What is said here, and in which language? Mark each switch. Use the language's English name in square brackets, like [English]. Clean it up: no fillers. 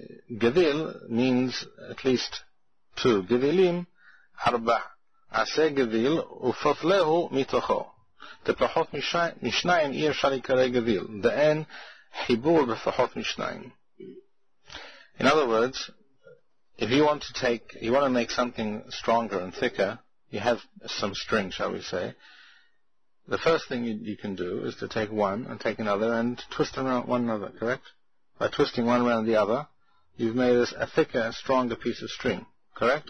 [English] Gavil means at least two. [Hebrew] Gavilim, ארבע, עשה גביל ופותלהו מתוכו. תפחות משניים אי אפשר לקרוא גביל, דאין חיבור בפחות משניים. [English] In other words, if you want to take, you want to make something stronger and thicker, you have some string, shall we say, the first thing you can do is to take one and take another and twist them around one another, correct? By twisting one around the other, you've made a thicker, stronger piece of string, correct?